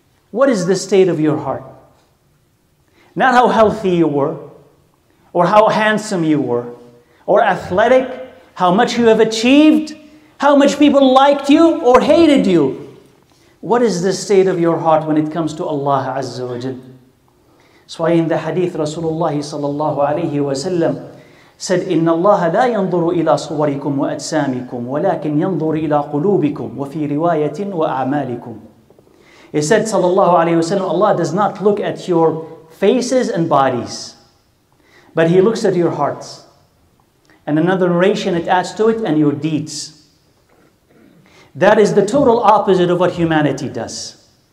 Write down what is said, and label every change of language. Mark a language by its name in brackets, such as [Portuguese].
[English] What is the state of your heart? Not how healthy you were, or how handsome you were, or athletic, how much you have achieved, how much people liked you or hated you. What is the state of your heart when it comes to Allah Azza wa Jal? So in the hadith, Rasulullah sallallahu alayhi wa sallam said, [Arabic] إِنَّ اللَّهَ لَا يَنْظُرُ إِلَىٰ صُوَرِكُمْ وَأَجْسَامِكُمْ وَلَكِنْ يَنْظُرُ إِلَىٰ قُلُوبِكُمْ وَفِي رِوَايَةٍ وَأَعْمَالِكُمْ. [English] He said sallallahu alayhi wa sallam, Allah does not look at your faces and bodies, but He looks at your hearts. And another narration it adds to it, and your deeds. That is the total opposite of what humanity does.